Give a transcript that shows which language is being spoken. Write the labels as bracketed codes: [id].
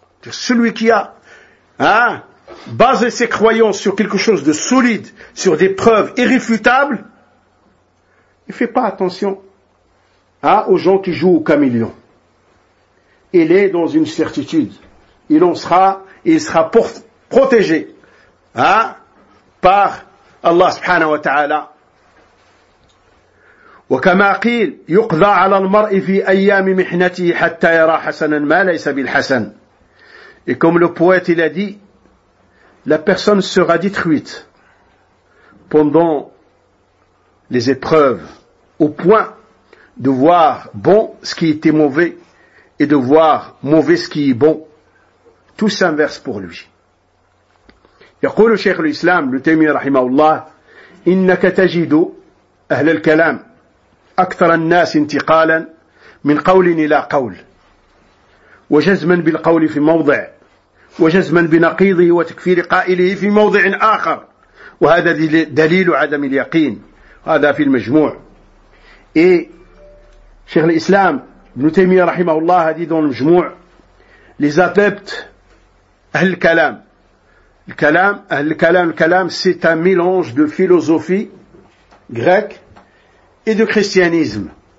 [fr] Celui qui a basé ses croyances sur quelque chose de solide, sur des preuves irréfutables, il fait pas attention aux gens qui jouent au camélion. Il est dans une certitude. Il sera protégé par Allah subhanahu wa ta'ala. [ar] وكما قيل يقضى على المرء في ايام محنته حتى يرى حسنا ما ليس بالحسن. [fr] Et comme le poète il a dit, la personne sera détruite pendant les épreuves, au point de voir bon ce qui était mauvais et de voir mauvais ce qui est bon. Tout s'inverse pour lui. [ar] يقول شيخ الإسلام ابن تيمية رحمه الله إنك تجد أهل الكلام أكثر الناس انتقالا من قول إلى قول وجزما بالقول في موضع وجزما بنقيضه وتكفير قائله في موضع آخر وهذا دليل عدم اليقين. هذا في المجموع. [fr] Et Cheikh l'Islam, Ibn Taymiyyah rahimahullah, a dit dans le Mjmou', les adeptes, Ahl al-Kalam, c'est un mélange de philosophie grecque et de christianisme.